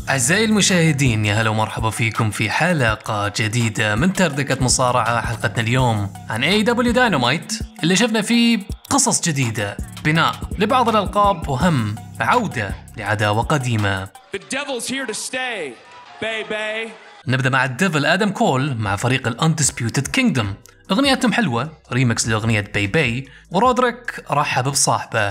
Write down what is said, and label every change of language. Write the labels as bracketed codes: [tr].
[ar] أعزائي المشاهدين، يا هلا ومرحبا فيكم في حلقة جديدة من تردكة مصارعة. حلقتنا اليوم عن AEW Dynamite اللي شفنا فيه قصص جديدة، بناء لبعض الألقاب، وهم عودة لعداوة قديمة. [en] The devil's here to stay, baby. [ar] نبدأ مع الديفل آدم كول مع فريق الأندسبيوتد كينغدوم. أغنيتهم حلوة، ريمكس لأغنية باي باي، ورودريك رحب بصاحبه.